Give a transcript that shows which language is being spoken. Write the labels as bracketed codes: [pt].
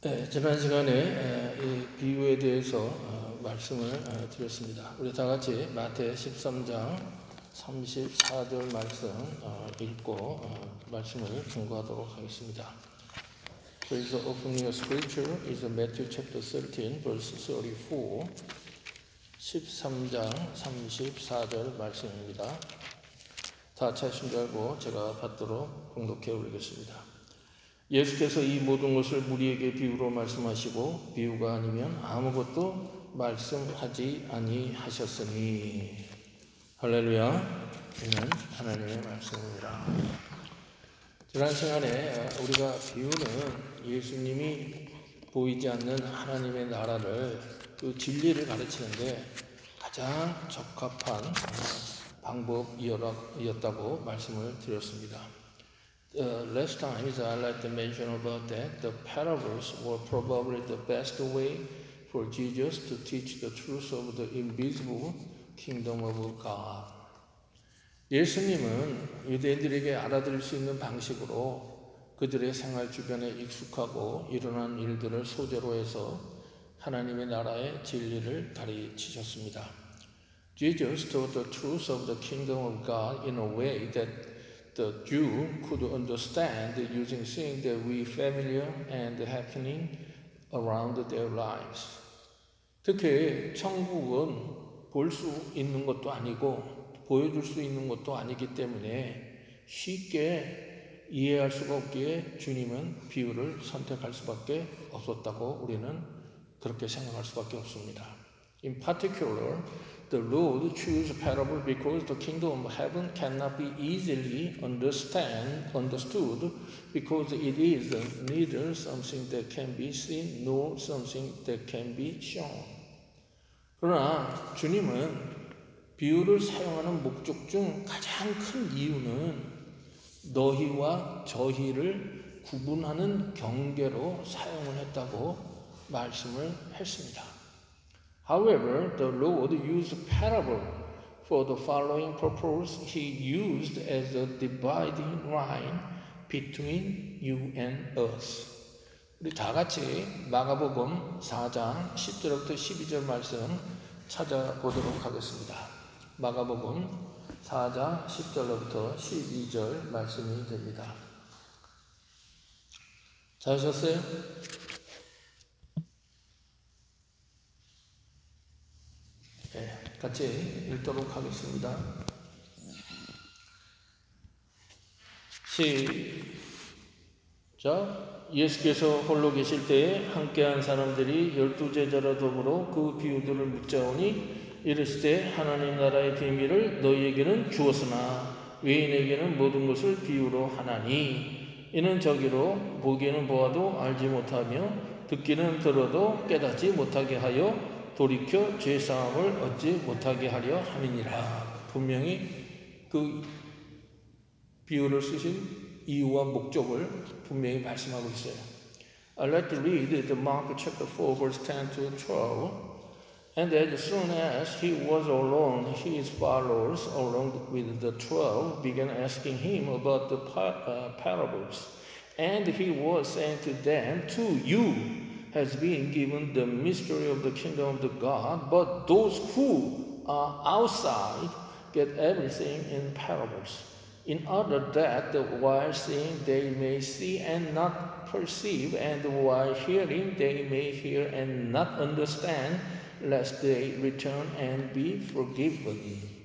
[ko] 지난 시간에 이 비유에 대해서 말씀을 드렸습니다. 우리 다 같이 마태 13장 34절 말씀 읽고 말씀을 증거하도록 하겠습니다. [en] Please open your scripture is Matthew chapter 13 verse 34. [ko] 13장 34절 말씀입니다. 다 찾으신 줄 알고 제가 받도록 봉독해 올리겠습니다. 예수께서 이 모든 것을 무리에게 비유로 말씀하시고 비유가 아니면 아무것도 말씀하지 아니하셨으니 할렐루야. 이는 하나님의 말씀입니다. 지난 시간에 우리가 비유는 예수님이 보이지 않는 하나님의 나라를 그 진리를 가르치는데 가장 적합한 방법이었다고 말씀을 드렸습니다. [en] Last time, I like to mention about that, the parables were probably the best way for Jesus to teach the truth of the invisible kingdom of God. [ko] 예수님은 유대인들에게 알아들을 수 있는 방식으로 그들의 생활 주변에 익숙하고 일어난 일들을 소재로 해서 하나님의 나라의 진리를 가르치셨습니다. [en] Jesus taught the truth of the kingdom of God in a way that the Jew could understand using things that were familiar and happening around their lives. [ko] 특히 천국은 볼 수 있는 것도 아니고 보여줄 수 있는 것도 아니기 때문에 쉽게 이해할 수가 없기에 주님은 비유를 선택할 수밖에 없었다고 우리는 그렇게 생각할 수밖에 없습니다. [en] In particular, the Lord chose a parable because the kingdom of heaven cannot be easily understood because it is neither something that can be seen nor something that can be shown. [ko] 그러나 주님은 비유를 사용하는 목적 중 가장 큰 이유는 너희와 저희를 구분하는 경계로 사용을 했다고 말씀을 했습니다. [en] However, the Lord used parable for the following purpose. He used as a dividing line between you and us. [ko] 우리 다 같이 마가복음 4장 10절부터 12절 말씀 찾아보도록 하겠습니다. 마가복음 4장 10절로부터 12절 말씀이 됩니다. 찾으셨어요? 네, 같이 읽도록 하겠습니다. 시작. 예수께서 홀로 계실 때에 함께한 사람들이 열두 제자라 더불어 그 비유들을 묻자오니 이르시되 하나님 나라의 비밀을 너희에게는 주었으나 외인에게는 모든 것을 비유로 하나니 이는 저기로 보기는 보아도 알지 못하며 듣기는 들어도 깨닫지 못하게 하여 돌이켜 죄사함을 얻지 못하게 하려 함이니라. 분명히 그 비유를 쓰신 이유와 목적을 분명히 말씀하고 있어요. [en] I like to read the Mark chapter 4 verse 10 to 12. And as soon as he was alone, his followers, along with the 12, began asking him about the parables. And he was saying to them, To you has been given the mystery of the kingdom of God, but those who are outside get everything in parables, in order that while seeing they may see and not perceive, and while hearing they may hear and not understand, lest they return and be forgiven.